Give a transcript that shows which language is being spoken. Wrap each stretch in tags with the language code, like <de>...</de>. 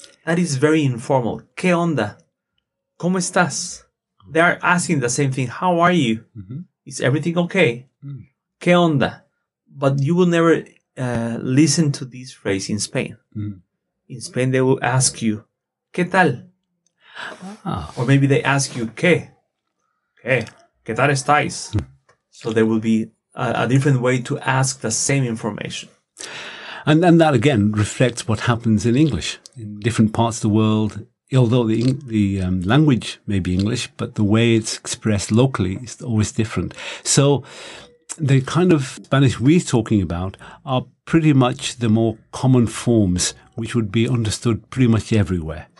<en>That is very informal.</en> <es>¿Qué onda? ¿Cómo estás?</es> <en>They are asking the same thing. How are you? Is everything okay?</en> <es>¿Qué onda?</es> <en>But you will never listen to this phrase in Spain. In Spain, they will ask you,</en> <es>¿qué tal?</es> <en>Or maybe they ask you,</en> <es>¿Qué tal estáis?</es> <en>So there will be a different way to ask the same information. And that, again, reflects what happens in English. In different parts of the world, although the language may be English, but the way it's expressed locally is always different. So the kind of Spanish we're talking about are pretty much the more common forms, which would be understood pretty much everywhere.</en>